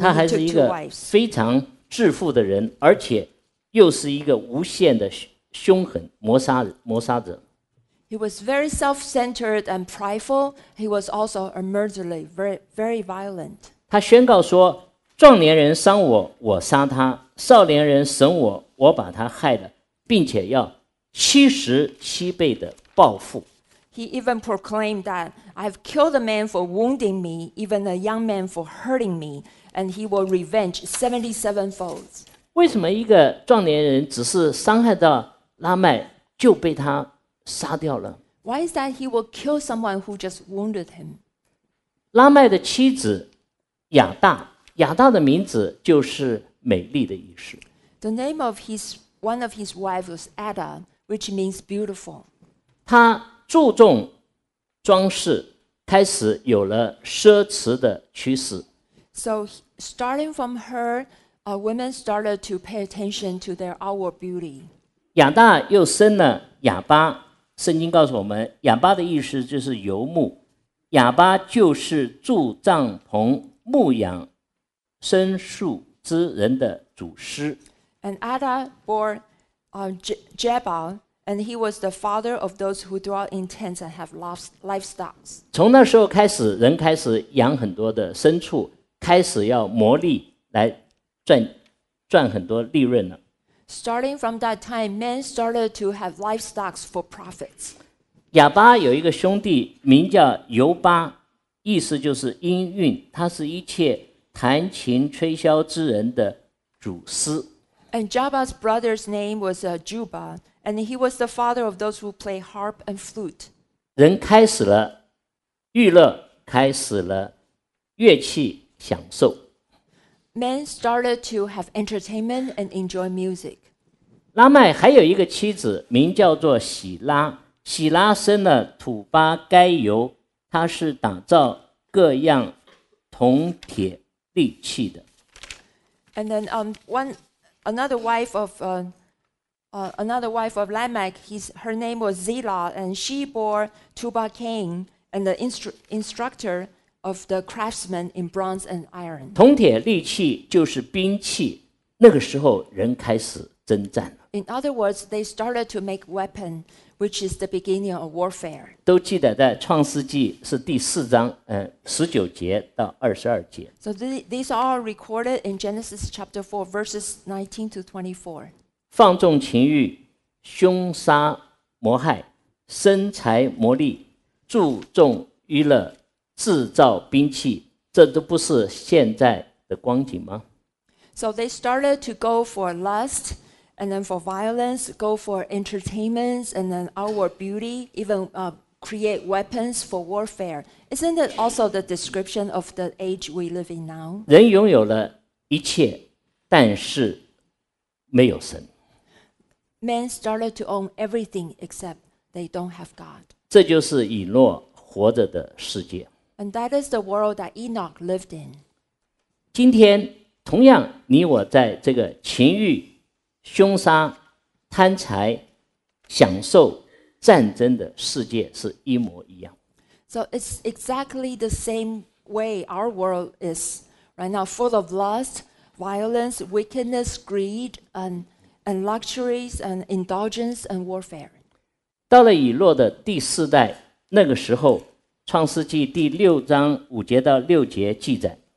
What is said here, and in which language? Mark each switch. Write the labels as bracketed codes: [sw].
[zh] 他还是一个非常致富的人，而且又是一个无限的凶狠谋杀者。 [en] He was very self-centered and prideful. He was also a murderer, very, very violent. [zh] 他宣告说，壮年人伤我，我杀他；少年人损我，我把他害了，并且要七十七倍的报复。 [en] He even proclaimed that I have killed a man for wounding me, even a young man for hurting me, and he will revenge 77-fold. [zh] 为什么一个壮年人只是伤害到拉麦就被他杀掉了？ [en] Why is that he will kill someone who just wounded him? [zh] 拉麦的妻子亚大，亚大的名字就是美丽的意思。 [en] The name of one of his wives was Ada, which means beautiful. [zh] 他注重装饰，开始有了奢侈的趋势。 [en] So starting from her, women started to pay attention to their outward beauty. [zh] 亚大又生了亚巴，圣经告诉我们，亚巴的意思就是游牧，亚巴就是住帐篷、牧羊、牲畜之人的祖师。 [en] And Ada bore Jeba. And he was the father of those who dwell in tents and have livestock. [zh] 从那时候开始，人开始养很多的牲畜，开始要谋利来赚很多利润了。 [en] Starting from that time, men started to have livestock for profits. [zh] 亚巴有一个兄弟名叫尤巴，意思就是音韵，他是一切弹琴吹箫之人的祖师。 [en] And Jabba's brother's name was Juba. And he was the father of those who play harp and flute. [zh] 人开始了娱乐，开始了乐器享受。 [en] Men started to have entertainment and enjoy music. [zh] 拉麦还有一个妻子名叫做喜拉，喜拉生了土巴该尤，他是打造各样铜铁利器的。 [en] And then another wife of Lamech, her name was Zillah, and she bore Tubal-Cain and the instructor of the craftsmen in bronze and iron. [zh] 铜铁利器就是兵器，那个时候人开始征战了。 [en] In other words, they started to make weapon, which is the beginning of warfare. [zh] 都记得在创世纪是第四章，19节到22节。 [en] So these are all recorded in Genesis chapter 4, verses 19 to 24. [zh] 放纵情欲，凶杀谋害，生财谋利，注重娱乐，制造兵器，这都不是现在的光景吗？ [en] So they started to go for lust, and then for violence, go for entertainment, and then outward beauty, even create weapons for warfare. Isn't it also the description of the age we live in now? [zh] 人拥有了一切，但是没有神。 [en] Men started to own everything except they don't have God. [zh] 这就是以诺活着的世界。 [en] And that is the world that Enoch lived in. [zh] 今天同样你我在这个情欲、凶杀、贪财、享受、战争的世界是一模一样。 [en] So it's exactly the same way our world is right now, full of lust, violence, wickedness, greed, and luxuries and indulgence and warfare. [zh] 到了以诺的第四代，那个时候，创世纪第六章五节到六节记载。